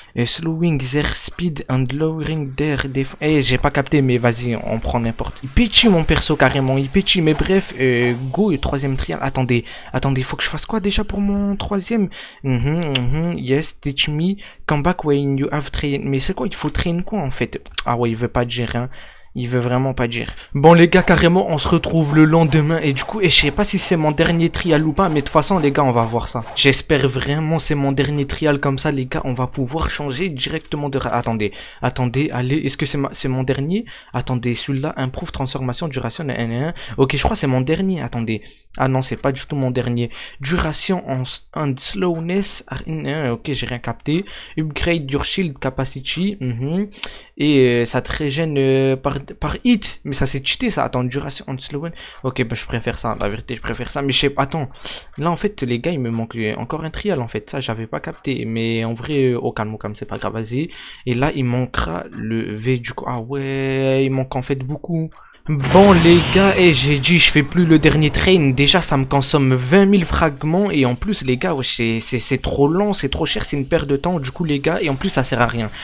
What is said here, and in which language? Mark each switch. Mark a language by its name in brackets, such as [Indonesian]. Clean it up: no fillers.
[English] Slowing their speed and lowering their defense. [French] J'ai pas capté, mais vas-y, on prend n'importe. Il pitchy mon perso carrément. Il pitchy. Mais bref, go et troisième trial. Attendez, faut que je fasse quoi déjà pour mon troisième? [English] Yes, teach me. Come back when you have trained. [French] Mais c'est quoi? Il faut train quoi en fait? Ah ouais, il veut pas gérer. Hein. Il veut vraiment pas dire. Bon les gars, carrément, on se retrouve le lendemain. Et du coup, et je sais pas si c'est mon dernier trial ou pas, mais de toute façon les gars, on va voir ça. J'espère vraiment c'est mon dernier trial. Comme ça les gars, on va pouvoir changer directement de... Attendez, allez, est-ce que c'est mon dernier? Attendez, celui-là [English] improve transformation duration 1. [French] Ok, je crois que c'est mon dernier. Attendez, Ah non, c'est pas du tout mon dernier. [English] Duration and slowness. [French] Ah, ok, j'ai rien capté. [English] Upgrade your shield capacity. [French] Et ça te régène par hit. Mais ça, c'est cheaté ça. [English] Attends, duration and slowness. [French] Ok, bah, je préfère ça. La vérité, je préfère ça. Mais je sais pas. Attends. Là, en fait, les gars, il me manque encore un trial. En fait, ça, j'avais pas capté. Mais en vrai, au calme, c'est pas grave. Vas-y. Et là, il manquera le V du coup. Ah ouais, il manque en fait beaucoup. Bon les gars, et j'ai dit je fais plus le dernier train, déjà ça me consomme 20 000 fragments et en plus les gars c'est trop lent, c'est trop cher, c'est une perte de temps du coup les gars, et en plus ça sert à rien.